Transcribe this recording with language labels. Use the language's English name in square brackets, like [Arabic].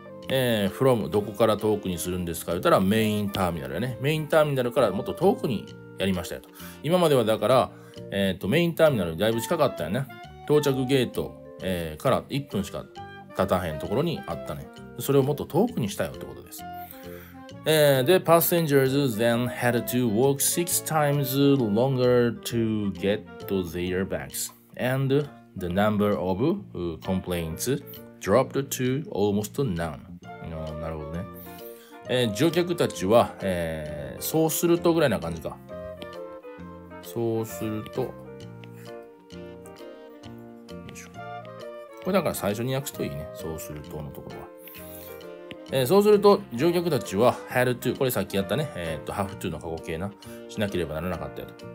[Japanese] from、どこから遠くにするんですか？言ったらメインターミナルやね。メインターミナルからもっと遠くにやりましたよと。今まではだから、メインターミナルにだいぶ近かったよね。到着ゲート、から1分しか立たへんところにあったね。それをもっと遠くにしたよってことです。 [English] で、passengers then had to walk six times longer to get their bags. And the number of complaints dropped to almost none. [Japanese] なるほどね。乗客たちは、そうするとぐらいな感じか。そうすると、これだから最初に訳すといいね。そうするとのところは。そうすると乗客たちは [English] had to、 [Japanese] これさっきやったね、have to の過去形な、しなければならなかったよと。